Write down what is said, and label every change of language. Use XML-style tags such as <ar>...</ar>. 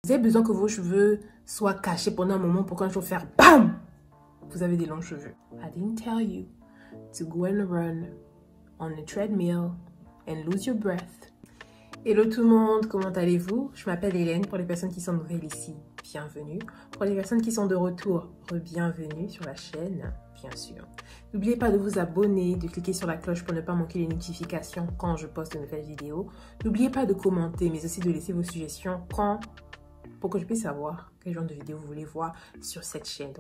<fr>Vous avez besoin que vos cheveux soient cachés pendant un moment pour qu'un jour faire BAM! Vous avez des longs cheveux.</fr> <en>I didn't tell you to go and run on a treadmill and lose your breath.</en> <fr>Hello tout le monde, comment allez-vous? Je m'appelle Hélène. Pour les personnes qui sont nouvelles ici, bienvenue. Pour les personnes qui sont de retour, re-bienvenue sur la chaîne, bien sûr. N'oubliez pas de vous abonner, de cliquer sur la cloche pour ne pas manquer les notifications quand je poste de nouvelles vidéos. N'oubliez pas de commenter, mais aussi de laisser vos suggestions quand... pour que je puisse savoir quel genre de vidéo vous voulez voir sur cette chaîne.</fr>